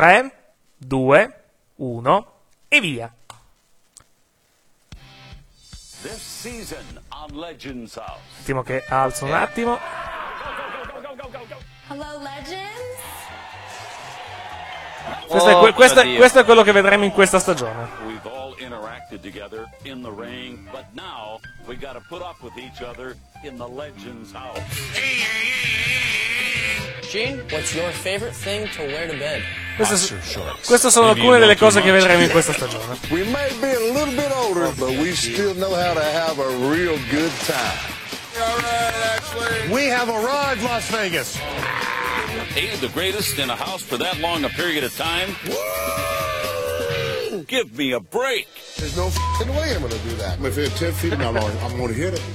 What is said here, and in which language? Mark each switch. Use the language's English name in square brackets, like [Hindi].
[Italian] 3, 2, 1 e via. [English] This season on Legends House. [Italian] Un attimo che alzo un attimo. [English] Hello Legends. [Italian] Questo è quello che vedremo in questa stagione. [English] We've all interacted together in the ring, but now we got to put up with each other in the Legends House. Gene, what's your favorite thing to wear to bed? [Italian] Queste sono alcune delle cose che vedremo in questa stagione. [English] We may be a little bit older, but we still know how to have a real good time. We have arrived, Las Vegas. Ain't the greatest in a house for that long a period of time. Woo! Give me a break. There's no f***ing way I'm gonna do that. If it's 10 feet in my lawn, I'm gonna hit it.